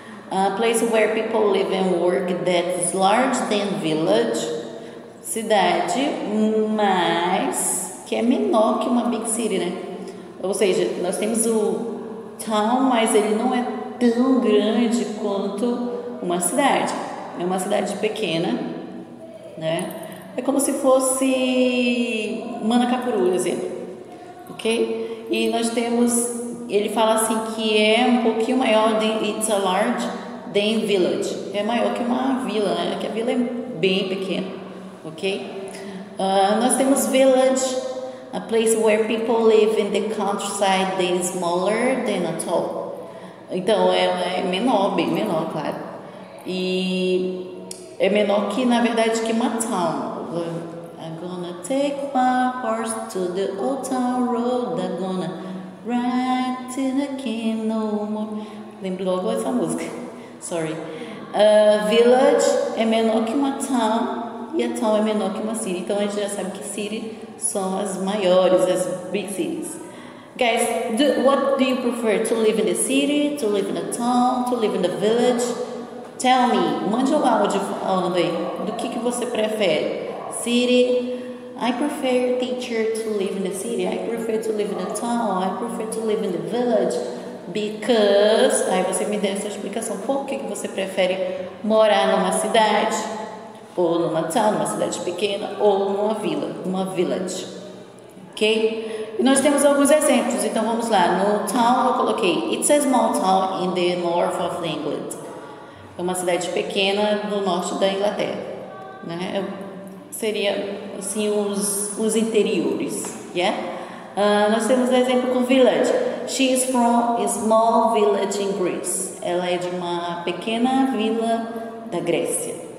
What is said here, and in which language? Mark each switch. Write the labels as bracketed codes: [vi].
[en] A place where people live and work that is larger than village. [pt] Cidade, mas que é menor que uma big city, né? Ou seja, nós temos o town, mas ele não é tão grande quanto uma cidade. É uma cidade pequena, né? É como se fosse Manacapuru, exemplo. Ok? E nós temos, ele fala assim que é um pouquinho maior, [en] than, it's a large than village. [pt] É maior que uma vila, né? Que a vila é bem pequena. Ok? Nós temos village, [en] a place where people live in the countryside, they are smaller than a town. [pt] Então, ela é menor, bem menor, claro. E é menor que, na verdade, que uma town. [en] I'm gonna take my horse to the old town road. I'm gonna ride till I can no more. [pt] Lembro logo essa música. Sorry. Village é menor que uma town. E a town é menor que uma city. Então, a gente já sabe que city são as maiores, as big cities. [en] Guys, what do you prefer? To live in the city, to live in a town, to live in the village? Tell me, [pt] mande um áudio falando aí. Do que você prefere? City, [en] I prefer, teacher, to live in the city. I prefer to live in the town. I prefer to live in the village. Because... [pt] Aí você me deu essa explicação. Por que você prefere morar numa cidade? Ou numa town, numa cidade pequena? Ou numa vila? Uma village. Ok? E nós temos alguns exemplos. Então, vamos lá. No town, eu coloquei... [en] It's a small town in the north of England. [pt] É uma cidade pequena no norte da Inglaterra. Né? Seria, assim, os interiores, yeah? Nós temos um exemplo com village. [en] She is from a small village in Greece. [pt] Ela é de uma pequena vila da Grécia.